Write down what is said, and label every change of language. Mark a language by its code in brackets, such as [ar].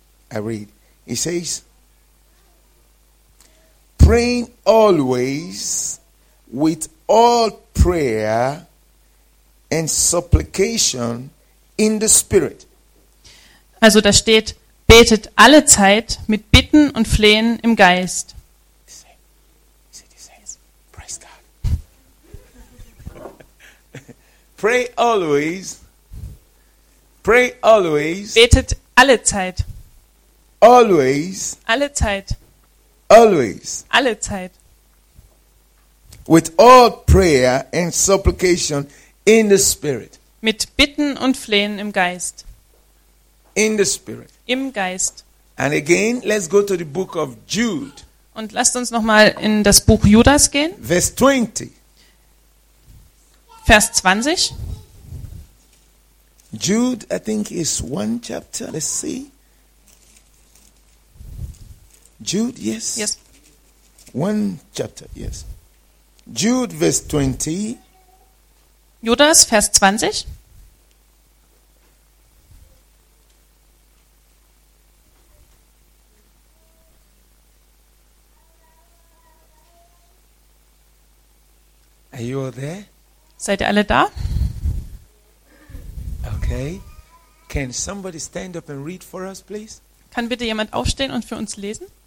[en] I read. He says, praying always with all prayer and supplication in the Spirit. [de] Also da steht, betet alle Zeit mit Bitten und Flehen im Geist. [en] Praise God. Pray always. Pray always. [de] Betet alle Zeit. [en] Always. [de] Alle Zeit. [en] Always. [de] Alle Zeit. [en] With all prayer and supplication in the Spirit. [de] Mit Bitten und Flehen im Geist. [en] In the Spirit. [de] Im Geist. [en] And again, let's go to the book of Jude. [de] Und lasst uns nochmal in das Buch Judas gehen. Vers 20. Vers 20. [en] Jude, I think, is one chapter. Let's see. Jude, yes. Yes. One chapter, yes. Jude, verse 20. [de] Judas, Vers 20. [en] Are you all there? [de] Seid ihr alle da? [en] Okay. Can somebody stand up and read for us, please? [de] Kann bitte jemand aufstehen und für uns lesen?